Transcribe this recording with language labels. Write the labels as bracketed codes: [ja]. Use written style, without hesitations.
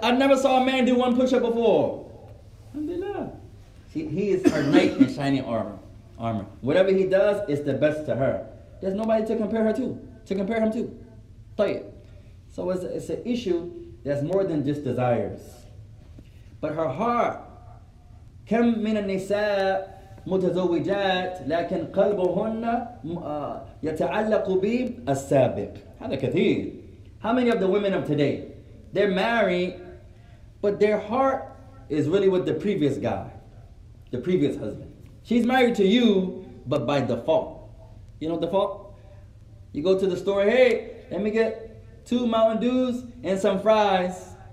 [en] I never saw a man do one push-up before. Alhamdulillah. He is her knight in shining armor. Whatever he does, it's the best to her. There's nobody to compare him to. So it's an issue that's more than just desires. But her heart, [ar] كم من النساء متزوجات لكن قلبهن يتعلق بالسابق. هذا كثير. [en] How many of the women of today, they're married, but their heart is really with the previous guy, the previous husband. She's married to you, but by default. You know default? You go to the store, hey, let me get 2 Mountain Dews and some fries.